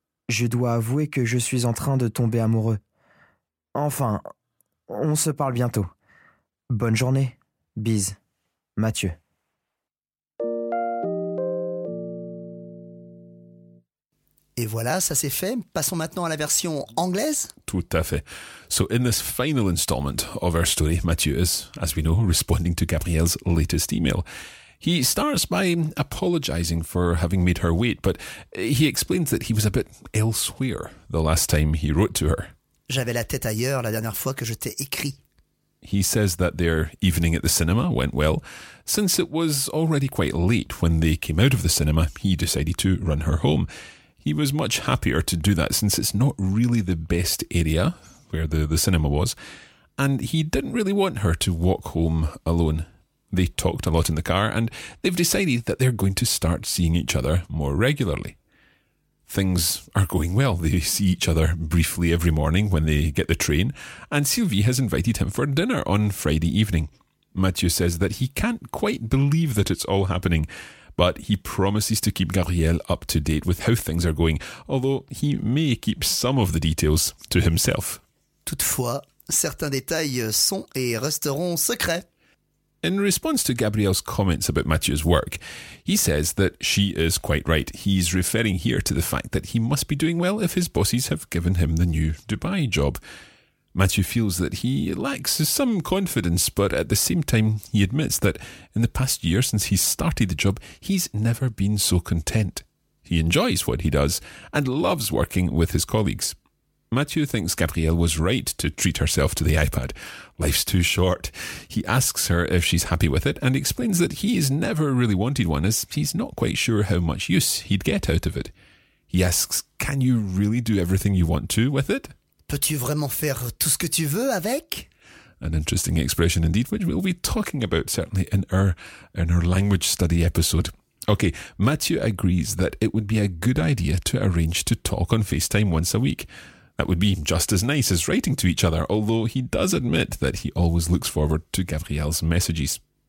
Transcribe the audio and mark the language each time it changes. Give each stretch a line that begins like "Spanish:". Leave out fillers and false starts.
French: Je dois avouer que je suis en train de tomber amoureux. Enfin, on se parle bientôt. Bonne journée. Bise. Mathieu. Et voilà, ça c'est fait. Passons maintenant à la version anglaise. Tout à fait.
English: So in this final installment of our story, Mathieu is, as we know, responding to Gabrielle's latest email. He starts by apologizing for having made her wait, but he explains that he was a bit elsewhere the last time he wrote to her.
French: J'avais la tête ailleurs la dernière fois que je t'ai écrit.
English: He says that their evening at the cinema went well. Since it was already quite late when they came out of the cinema, he decided to run her home. He was much happier to do that since it's not really the best area where the cinema was, and he didn't really want her to walk home alone. They talked a lot in the car, and they've decided that they're going to start seeing each other more regularly. Things are going well. They see each other briefly every morning when they get the train, and Sylvie has invited him for dinner on Friday evening. Mathieu says that he can't quite believe that it's all happening, but he promises to keep Gabrielle up to date with how things are going, although he may keep some of the details to himself.
French: Toutefois, certains détails sont et resteront secrets.
English: In response to Gabrielle's comments about Mathieu's work, he says that she is quite right. He's referring here to the fact that he must be doing well if his bosses have given him the new Dubai job. Mathieu feels that he lacks some confidence, but at the same time he admits that in the past year since he started the job, he's never been so content. He enjoys what he does and loves working with his colleagues. Mathieu thinks Gabrielle was right to treat herself to the iPad. Life's too short. He asks her if she's happy with it and explains that he's never really wanted one as he's not quite sure how much use he'd get out of it. He asks, can you really do everything you want to with it?
French: Peux-tu vraiment faire tout ce que tu veux avec?
English: An interesting expression indeed, which we'll be talking about certainly in our language study episode. Okay, Mathieu agrees that it would be a good idea to arrange to talk on FaceTime once a week. That would be just as nice as writing to each other, although he does admit that he always looks forward to Gabrielle's messages.